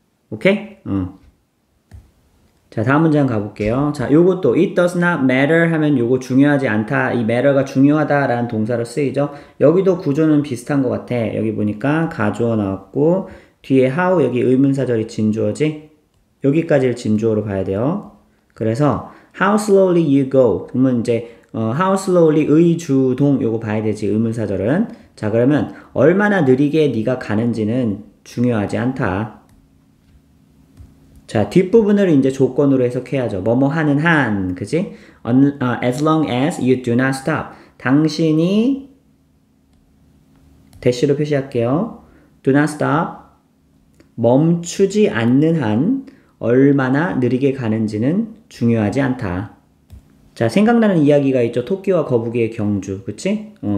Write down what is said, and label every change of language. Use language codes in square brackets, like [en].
[ko] 오케이? 자, 다음 문장 가볼게요. 자, 요것도, [en] it does not matter [ko] 하면 요거 중요하지 않다. 이 matter가 중요하다라는 동사로 쓰이죠. 여기도 구조는 비슷한 것 같아. 여기 보니까, 가주어 나왔고, 뒤에 how, 여기 의문사절이 진주어지? 여기까지를 진주어로 봐야 돼요. [en] 그래서, how slowly you go. [ko] 그러면 이제, how slowly 의주동, 요거 봐야 되지, 의문사절은. 자, 그러면, 얼마나 느리게 네가 가는지는 중요하지 않다. 자, 뒷부분을 이제 조건으로 해석해야죠. 뭐뭐 하는 한, 그지? [en] As long as you do not stop. [ko] 당신이, 대시로 표시할게요. [en] do not stop. [ko] 멈추지 않는 한, 얼마나 느리게 가는지는 중요하지 않다. 자, 생각나는 이야기가 있죠. 토끼와 거북이의 경주. 그치?